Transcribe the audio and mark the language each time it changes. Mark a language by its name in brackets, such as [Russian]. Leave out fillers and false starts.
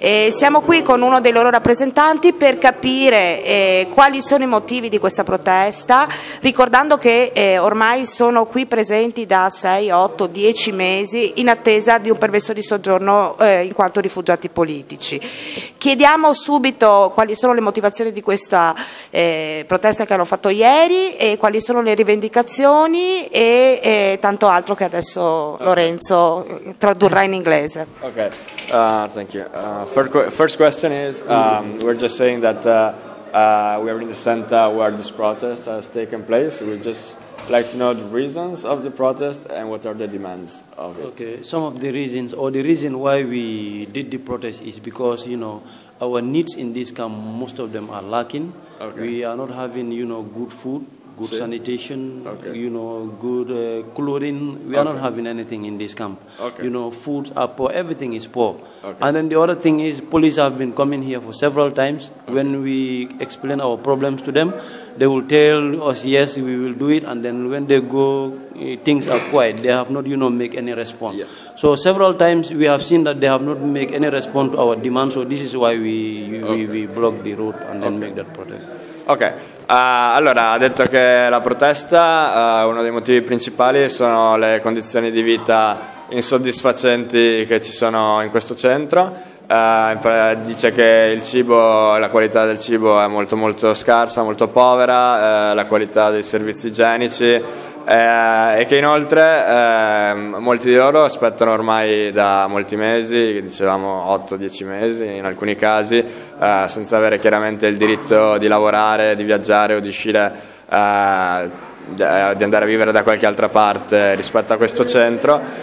[Italian] Siamo qui con uno dei loro rappresentanti per capire quali sono i motivi di questa protesta, ricordando che ormai sono qui presenti da 6, 8, 10 mesi in attesa di un permesso di soggiorno in quanto rifugiati politici. Chiediamo subito quali sono le motivazioni di questa protesta che hanno fatto ieri e quali sono le rivendicazioni e tanto altro che adesso Lorenzo tradurrà in inglese. [English] Ok, thank you. First question is, we're just saying that we are in the center where this protest has taken place. We just like to know the reasons of the protest and what are the demands of it. Okay, some of the reasons or the reason why we did the protest is because, you know, our needs in this camp, most of them are lacking. Okay. We are not having, you know, good food, good sanitation, okay. You know, good clothing. We are not having anything in this camp. Okay. You know, food are poor. Everything is poor. Okay. And then the other thing is police have been coming here for several times. Okay. When we explain our problems to them, they will tell us, yes, we will do it. And then when they go, things are quiet. They have not, you know, make any response. Yeah. So several times we have seen that they have not make any response to our demands. So this is why we block the road and then make that protest. Okay. [Italian] Allora, ha detto che la protesta, uno dei motivi principali sono le condizioni di vita insoddisfacenti che ci sono in questo centro. Dice che il cibo, la qualità del cibo è molto molto scarsa, molto povera, la qualità dei servizi igienici, e che inoltre molti di loro aspettano ormai da molti mesi, dicevamo 8-10 mesi in alcuni casi, senza avere chiaramente il diritto di lavorare, di viaggiare o di uscire, di andare a vivere da qualche altra parte rispetto a questo centro,